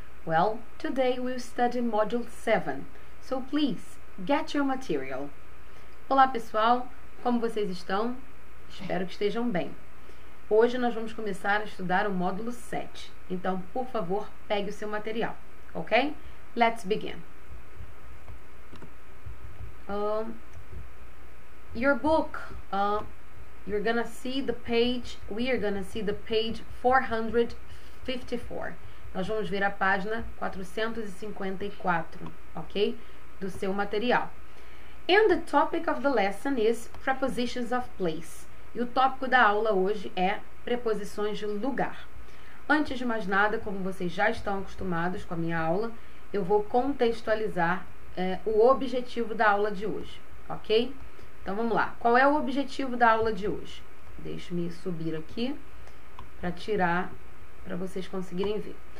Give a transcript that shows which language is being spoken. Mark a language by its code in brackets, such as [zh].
[en] Well, today we'll study module 7, so please, get your material. [pt] Olá pessoal, como vocês estão? Espero que estejam bem. Hoje nós vamos começar a estudar o módulo 7, então por favor, pegue o seu material, ok? [en] Let's begin. Your book... You're gonna see the page, we are gonna see the page 454. [pt] Nós vamos ver a página 454, ok? Do seu material. [en] And the topic of the lesson is prepositions of place. [pt] E o tópico da aula hoje é preposições de lugar. Antes de mais nada, como vocês já estão acostumados com a minha aula, eu vou contextualizar o objetivo da aula de hoje, ok? Então, vamos lá. Qual é o objetivo da aula de hoje? Deixe-me subir aqui para tirar, para vocês conseguirem ver.